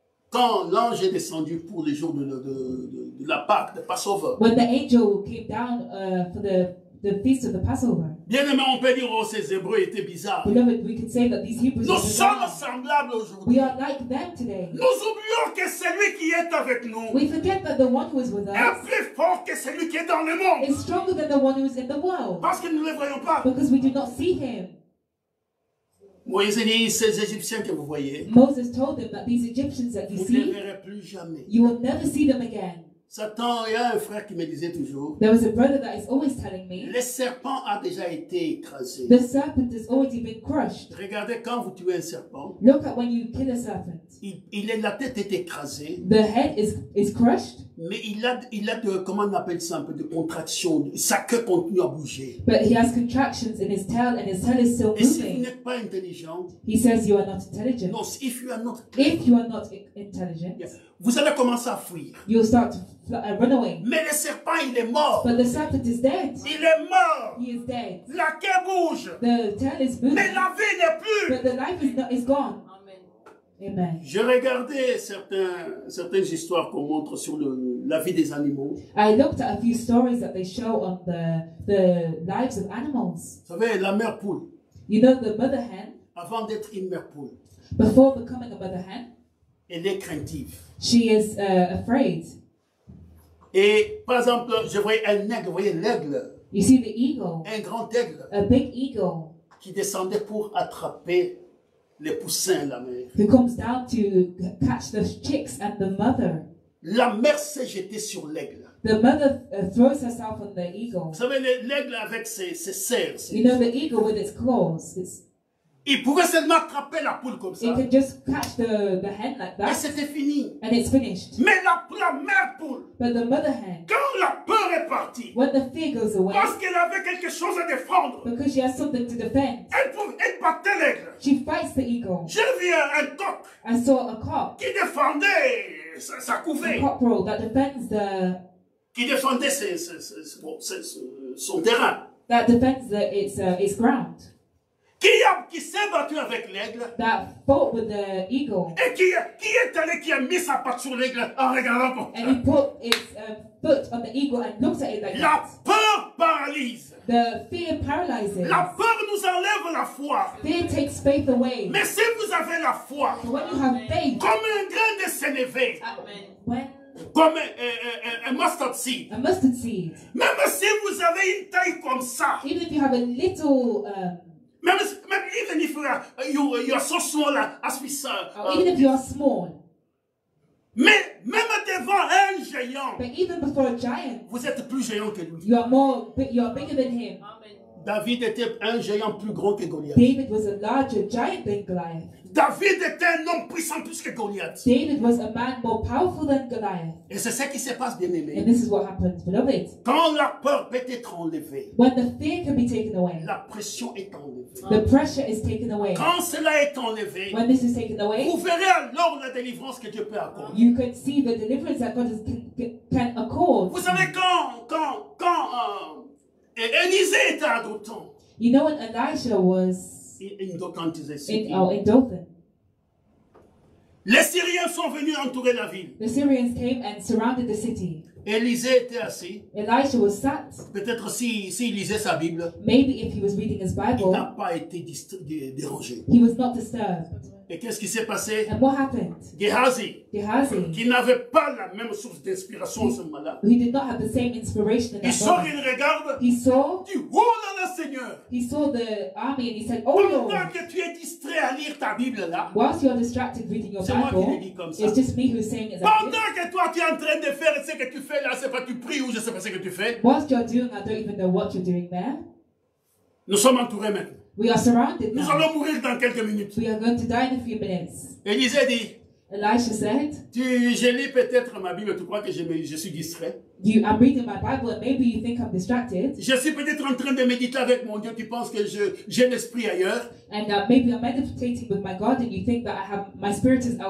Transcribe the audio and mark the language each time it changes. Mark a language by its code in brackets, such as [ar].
[fr] Quand l'ange est descendu pour les jours de la Pâque, de Passover. [en] When the angel came down for the feast of the Passover. [fr] Bien aimé, on peut dire oh ces Hébreux étaient bizarres. [en] Beloved, we could say that these Hebrews [fr] nous sommes semblables aujourd'hui. [en] We are like them today. [fr] Nous oublions que celui qui est avec nous. [en] We forget that the one who is with us [fr] est plus fort que celui qui est dans le monde. [en] Is stronger than the one who is in the world. [fr] Parce que nous ne le voyons pas. [en] Because we do not see him. [fr] Moïse dit ces Égyptiens que vous voyez. [en] Moses told them that these Egyptians that you [fr] vous [en] see. [fr] Vous ne les verrez plus jamais. [en] You will never see them again. [fr] Satan, il y a un frère qui me disait toujours. [en] There was a brother that is always telling me. [fr] Le serpent a déjà été écrasé. [en] The serpent has already been crushed. [fr] Regardez quand vous tuez un serpent. [en] Look at when you kill a serpent. [fr] Il la tête est écrasée. [en] The head is crushed. [fr] Mais il a de comment on appelle ça un peu de contraction. Sa queue continue à bouger. [en] But he has contractions in his tail and his tail is still [fr] et Et si vous n'êtes pas intelligent. [en] He says you are not intelligent. No, if you are not. If you are not intelligent. [fr] Yes. Vous allez commencer à fuir. [en] You'll start to run away. [fr] Mais le serpent, il est mort. [en] But the serpent is dead. [fr] Il est mort. [en] He is dead. [fr] La queue bouge. [en] The tail is moving. [fr] Mais la vie n'est plus. [en] But the life is gone. Amen. Amen. [fr] Je regardais certaines histoires qu'on montre sur la vie des animaux. [en] I looked at a few stories that they show on the lives of animals. [fr] Vous savez, la mère poule. [en] You know the mother hen. [fr] Avant d'être une mère poule. [en] Before becoming a mother hen. [fr] Elle est craintive. [en] She is afraid. [fr] Et par exemple, je voyais un aigle, vous voyez l'aigle. [en] You see the eagle. [fr] Un grand aigle. [en] A big eagle. [fr] Qui descendait pour attraper les poussins la mère. [en] Who comes down to catch the chicks at the mother. [fr] La mère s'est jetée sur l'aigle. [en] The mother throws herself on the eagle. [fr] Vous savez l'aigle avec ses serres. [en] You know the eagle with its claws. [fr] Il pouvait seulement attraper la poule comme ça. [en] It could just catch the hen like that. [fr] Et c'était fini. [en] And it's finished. [fr] Mais la mère poule. [en] But the mother hen. [fr] Quand la peur est partie. [en] When the fear goes away. [fr] Parce qu'elle avait quelque chose à défendre. [en] Because she has something to defend. [fr] Elle battait l'aigle. [en] She fights the eagle. [fr] Je vis un coq. [en] I saw a cock. [fr] Qui défendait sa couvée. [en] A cockerel that defends the. [fr] Qui défendait son terrain. [en] That defends its ground. [fr] Qui s'est battu avec l'aigle? [en] That fought with the eagle. [fr] Et qui est allé qui a mis sa patte sur l'aigle en regardant comme ça? [en] And he put his foot on the eagle and looked at it like [fr] la [en] that. [fr] La peur paralyse. [en] The fear paralyzes. [fr] La peur nous enlève la foi. [en] Fear takes faith away. [fr] Mais si vous avez la foi, [en] but when you have faith, [fr] comme un grain de sénévé. [en] Amen. [fr] Comme un mustard seed. [en] A mustard seed. [fr] Même si vous avez une taille comme ça. [en] Even if you have a little even if you are so small as we saw. Even if you are small. [fr] Mais même devant un géant. [en] But even before a giant. [fr] Vous êtes plus géant que lui. [en] You are bigger than him. Amen. [fr] David était un géant plus grand que Goliath. [en] David was a larger giant than Goliath. [fr] David était un homme puissant plus que Goliath. [en] David was a man more powerful than Goliath. [fr] Et c'est ce qui se passe, bien aimé. [en] And this is what happens, beloved. [fr] Quand la peur peut être enlevée. [en] When the fear can be taken away. [fr] La pression est enlevée. [en] The pressure is taken away. [fr] Quand cela est enlevé. [en] When this is taken away. [fr] Vous verrez alors la délivrance que Dieu peut accorder. [en] You can see the deliverance that God can accord. [fr] Vous savez quand Élisée était à Dothan. [en] You know when Elijah was in Dothan. In Dothan. [fr] Les Syriens sont venus entourer la ville. [en] The Syrians came and surrounded the city. [fr] Élisée était assis. [en] Elijah was sat. [fr] Peut-être si il lisait sa Bible. [en] Maybe if he was reading his Bible. [fr] Il n'a pas été dérangé. [en] He was not disturbed. [fr] Et qu'est-ce qui s'est passé? [en] And what happened? [fr] Gehazi, qui n'avait pas la même source d'inspiration, ce malade. [en] He did not have the same inspiration in that. [fr] Il sort, il regarde. [en] He saw. [fr] Dit, oh là là, Seigneur. [en] He saw the army and he said, oh Lord. [fr] Pendant que tu es distrait à lire ta Bible là. [en] Whilst you are distracted reading your Bible. [fr] C'est moi qui le dis comme ça. [en] It's just me who's saying it. [fr] Pendant que toi tu es en train de faire ce que tu fais là, c'est pas tu pries ou je sais pas ce que tu fais. [en] Whilst you're doing, I don't even know what you're doing there. [fr] Nous sommes entourés maintenant. [en] We are surrounded now. [fr] Nous allons mourir dans quelques minutes. [en] We are going to die in a few minutes. [fr] Élisée dit. [en] Elisha said. [fr] Je lis peut-être ma Bible. Tu crois que je suis distrait? [en] I'm reading my Bible, and maybe you think I'm distracted. [fr] Je suis peut-être en train de méditer avec mon Dieu. Tu penses que j'ai l'esprit ailleurs? [en] And maybe I'm meditating with my God, and you think that I have my spirit is elsewhere.